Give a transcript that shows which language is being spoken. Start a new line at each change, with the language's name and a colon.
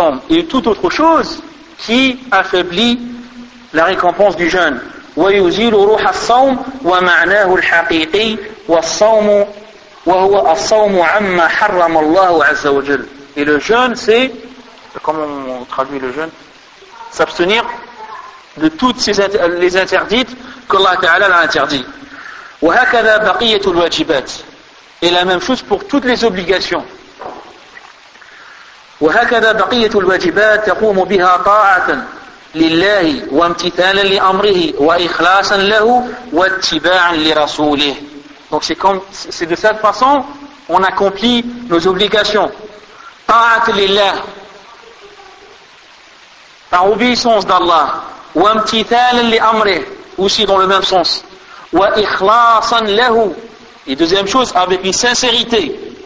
French: Et toute autre chose qui affaiblit la récompense du jeûne.
Arabic: ويزيل روح الصوم ومعناه الحقيقي والصوم وهو الصوم عما حرم الله عز وجل.
French: Et le jeûne, c'est, comment on traduit le jeûne, s'abstenir de toutes ces les interdites que Allah Ta'ala l'a interdit.
Arabic: وهكذا بقية الواجبات.
French: Et la même chose pour toutes les obligations.
Arabic: وهكذا بقية الواجبات تقوم بها طاعة لله وامتثالا لامره واخلاصا له واتباعا لرسوله.
French: Donc c'est de cette façon on accomplit nos obligations.
Arabic: Ta'at lillah,
French: par obéissance d'Allah.
Arabic: وامتثالا لامره,
French: aussi dans le même sens.
Arabic: واخلاصا له,
French: et deuxième chose, avec une sincérité.